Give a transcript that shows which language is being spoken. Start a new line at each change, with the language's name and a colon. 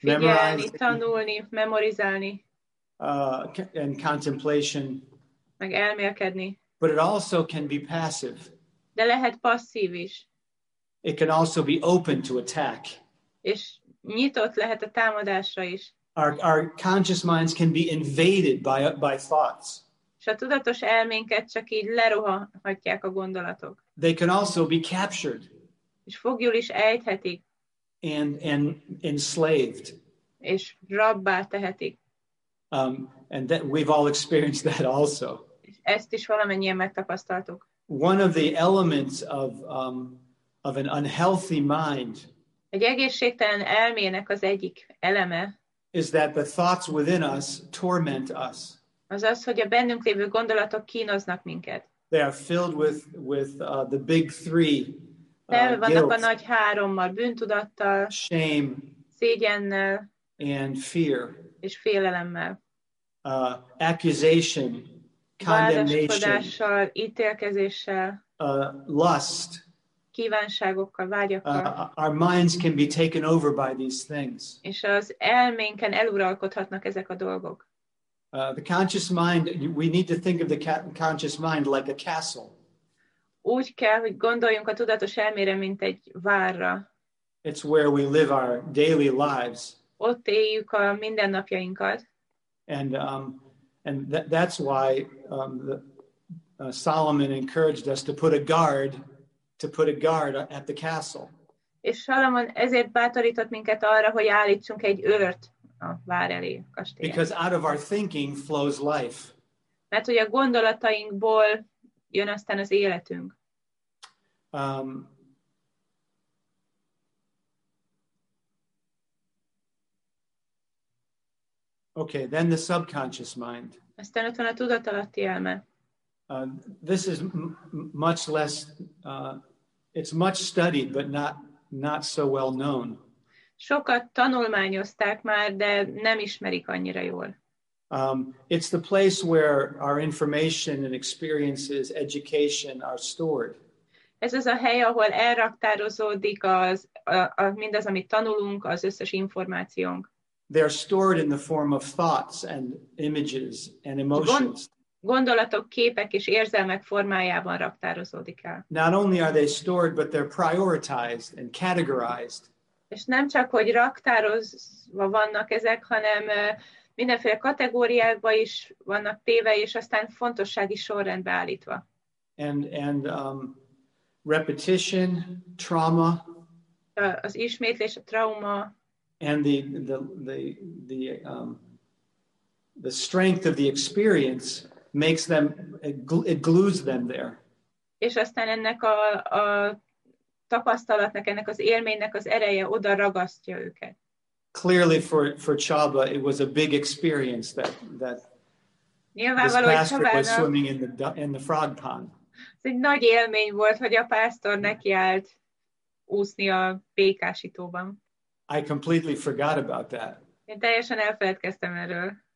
Hungarian: Figyelni, tanulni, memorizálni.
English: And contemplation.
Hungarian: Meg elmélkedni.
English: But it also can be passive.
Hungarian: De lehet passzív is.
English: It can also be open to attack.
Hungarian: És nyitott lehet a támadásra is.
English: Our conscious minds can be invaded by thoughts.
Hungarian: És a tudatos elménket csak így lerohanhatják a gondolatok.
English: They can also be captured.
Hungarian: És foglyul is ejthetik.
English: And enslaved.
Hungarian: És rabbá tehetik.
English: And that we've all experienced that also.
Hungarian: Ezt is valamennyien megtapasztaltuk.
English: One of the elements of an unhealthy mind.
Hungarian: Egy egészségtelen elmének az egyik eleme.
English: Is that the thoughts within us torment us?
Hungarian: Az, hogy a bennünk lévő gondolatok kínoznak minket.
English: They are filled with the big three.
Hungarian: Tele vannak a nagy hárommal, bűntudattal.
English: Shame.
Hungarian: Szégyennel.
English: And fear.
Hungarian: És félelemmel.
English: Accusation, condemnation.
Hungarian: Vádaskodással, ítélkezéssel.
English: Lust.
Hungarian: Kívánságokkal, vágyakkal.
English: Our minds can be taken over by these things.
Hungarian: És az elménken eluralkodhatnak ezek a dolgok.
English: The conscious mind, we need to think of the conscious mind like a castle.
Hungarian: Úgy kell, hogy gondoljunk a tudatos elmére, mint egy várra.
English: It's where we live our daily lives.
Hungarian: Ott éljük a mindennapjainkat.
English: And that's why Solomon encouraged us to put a guard at the castle.
Hungarian: És Salomon ezért bátorított minket arra, hogy állítsunk egy őrt a vár elé, a kastélyen.
English: Because out of our thinking flows life.
Hungarian: Mert hogy a gondolatainkból jön aztán az életünk.
English: Okay, then the subconscious mind.
Hungarian: Aztán ott van a tudatalatti elme.
English: This is much less, it's much studied, but not so well known.
Hungarian: Sokat tanulmányozták már, de nem ismerik annyira jól.
English: It's the place where our information and experiences, education are stored.
Hungarian: Ez az a hely, ahol elraktározódik mindaz, amit tanulunk, az összes információnk.
English: They are stored in the form of thoughts and images and emotions.
Hungarian: Gondolatok, képek és érzelmek formájában raktározódik el.
English: Not only are they stored, but they're prioritized and categorized.
Hungarian: És nem csak, hogy raktározva vannak ezek, hanem mindenféle kategóriákba is vannak téve, és aztán fontossági sorrendbe állítva.
English: And repetition, trauma.
Hungarian: Az ismétlés, a trauma.
English: And the strength of the experience makes them, it glues them there.
Hungarian: És aztán ennek a tapasztalatnak, ennek az élménynek az ereje oda ragasztja őket.
English: Clearly for Csaba, it was a big experience that this pastor was swimming in the frog pond.
Hungarian: Ez egy nagy élmény volt, hogy a pásztor nekiállt úszni a békásítóban.
English: I completely forgot about that.
Hungarian: Én teljesen elfeledkeztem erről.